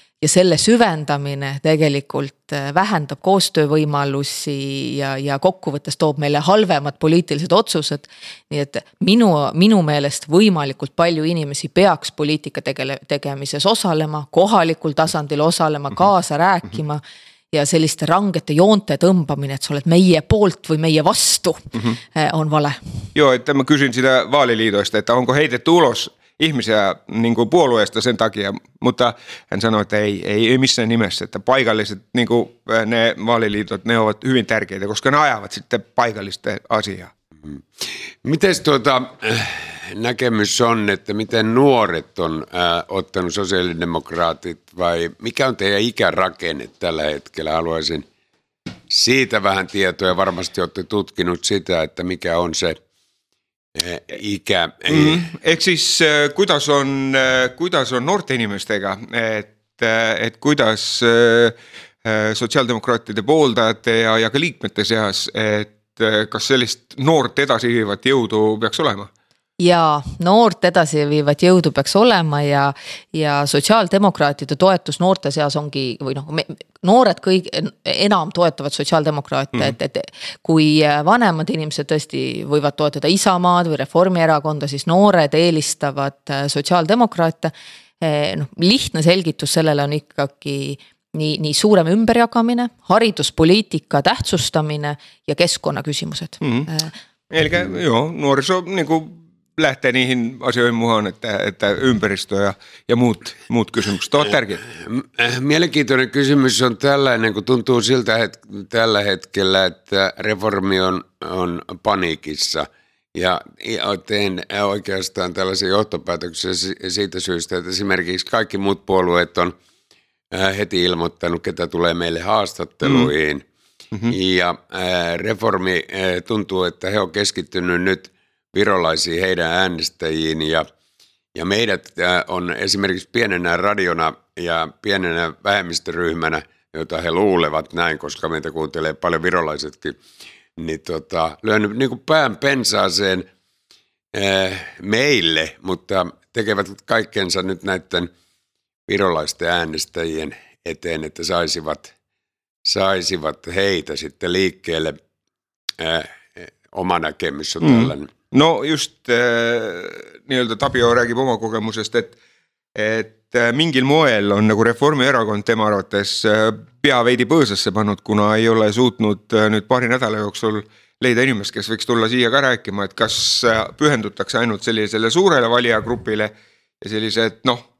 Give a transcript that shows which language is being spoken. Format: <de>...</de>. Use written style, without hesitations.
<et>Ja selle süvendamine tegelikult vähendab koostöövõimalusi ja kokkuvõttes toob meile halvemad poliitilised otsused. Nii et minu meelest võimalikult palju inimesi peaks poliitika tegemises osalema, kohalikul tasandil osalema, kaasa rääkima ja selliste rangete joonte tõmbamine, et sa oled meie poolt või meie vastu, on vale.</et> <fi>Joo, et</fi> <et>ma küsin seda</et> <fi>vaaliliidoista, et onko heidet ulos ihmisiä niin kuin puolueesta sen takia, mutta hän sanoi, että ei missään nimessä, että paikalliset niin kuin ne vaaliliitot, ne ovat hyvin tärkeitä, koska ne ajavat sitten paikallista asiaa. Miten näkemys on, että miten nuoret on ottanut sosiaalidemokraatit vai mikä on teidän ikärakenne tällä hetkellä? Haluaisin siitä vähän tietoa ja varmasti olette tutkinut sitä, että mikä on se ikä.</fi> <et>Eks siis kuidas on noorte inimestega, et kuidas sotsiaaldemokraatide pooldajate ja ka liikmete seas, et kas sellist noort edasi viivat jõudu peaks olema? Jaa, noort edasi viivat jõudu peaks olema ja sotsiaaldemokraatide toetus noorte seas ongi, noored kõik enam toetavad sotsiaaldemokraate, et kui vanemad inimesed tõesti võivad toetada Isamaad või Reformierakonda, siis noored eelistavad sotsiaaldemokraate. Lihtne selgitus sellele on ikkagi nii suurem ümberjagamine, hariduspoliitika tähtsustamine ja keskkonnaküsimused.</et> <fi>Eelge, nuoriso niinku lähtee niihin asioihin muhaan, että ympäristö ja muut kysymykset ovat tärkeitä. Mielenkiintoinen kysymys on tällainen, kun tuntuu siltä tällä hetkellä, että reformi on paniikissa. Ja teen oikeastaan tällaisen johtopäätöksen siitä syystä, että esimerkiksi kaikki muut puolueet on heti ilmoittanut, ketä tulee meille haastatteluihin. Ja reformi tuntuu, että he ovat keskittyneet nyt virolaisiin heidän äänestäjiin ja meidät on esimerkiksi pienenä radiona ja pienenä vähemmistöryhmänä, jota he luulevat näin, koska meitä kuuntelee paljon virolaisetkin, niin lyönyt niin kuin pään pensaaseen meille, mutta tekevät kaikkensa nyt näiden virolaisten äänestäjien eteen, että saisivat heitä sitten liikkeelle. Oma näkemys on tällainen.</fi> <et>No just nii-öelda Tapio räägib oma kogemusest, et mingil moel on nagu Reformierakond tema arvates pea veidi põõsasse pannud, kuna ei ole suutnud nüüd paari nädala jooksul leida inimest, kes võiks tulla siia ka rääkima, et kas pühendutakse ainult sellisele suurele valijagrupile ja sellised,</et>